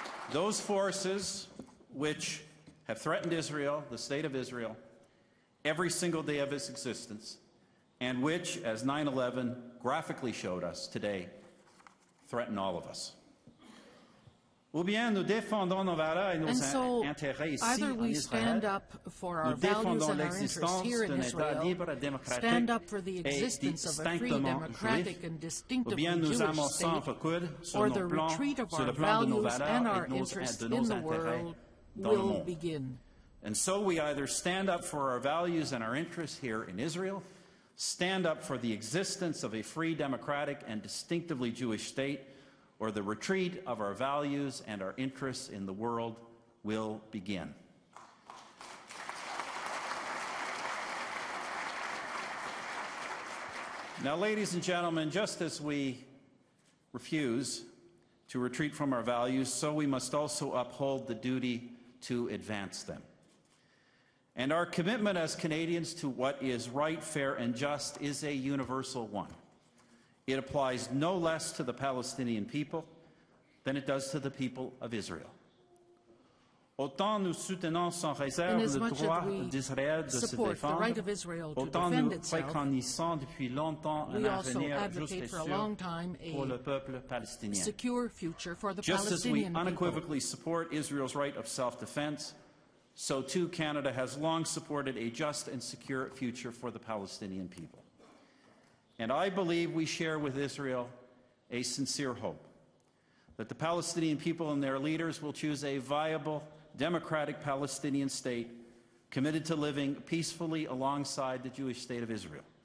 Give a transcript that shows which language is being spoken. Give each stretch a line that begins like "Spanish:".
English: Those forces which have threatened Israel, the state of Israel, every single day of its existence, and which, as 9/11 graphically showed us today, threaten all of us.
French: Ou bien nous défendons nos valeurs et nos intérêts ici en Israël.
English: Either we stand up for our values and our interests here in Israel, stand up for the existence of a free, democratic, and distinctive Jewish state, or the retreat of our values and our interests in the world will begin. And so we either stand up for our values and our interests here in Israel, stand up for the existence of a free, democratic, and distinctively Jewish state, or the retreat of our values and our interests in the world will begin. Now, ladies and gentlemen, just as we refuse to retreat from our values, so we must also uphold the duty to advance them. And our commitment as Canadians to what is right, fair, and just is a universal one. It applies no less to the Palestinian people than it does to the people of Israel.
French: Autant nous soutenons sans réserve le droit d'Israël de se défendre, autant nous préconisons depuis longtemps un avenir juste et sûr pour le peuple palestinien.
English: Just as we unequivocally support Israel's right of self-defense, so too, Canada has long supported a just and secure future for the Palestinian people. And I believe we share with Israel a sincere hope that the Palestinian people and their leaders will choose a viable, democratic Palestinian state committed to living peacefully alongside the Jewish state of Israel.